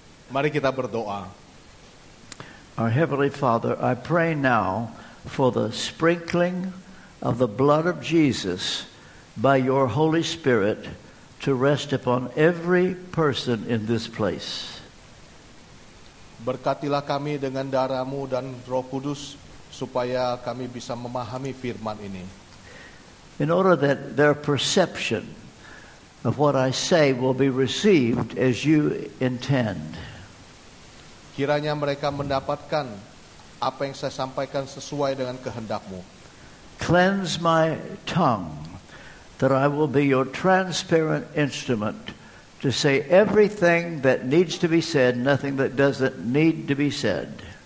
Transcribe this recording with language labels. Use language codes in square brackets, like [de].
[id] Mari kita berdoa. [en] Our Heavenly Father, I pray now for the sprinkling of the blood of Jesus by your Holy Spirit to rest upon every person in this place. [id] Berkatilah kami dengan darah-Mu dan Roh Kudus supaya kami bisa memahami firman ini. [en] In order that their perception of what I say will be received as you intend. [id] Kiranya mereka mendapatkan apa yang saya sampaikan sesuai dengan kehendak-Mu. [en] Cleanse my tongue that I will be your transparent instrument to say everything that needs to be said, nothing that doesn't need to be said.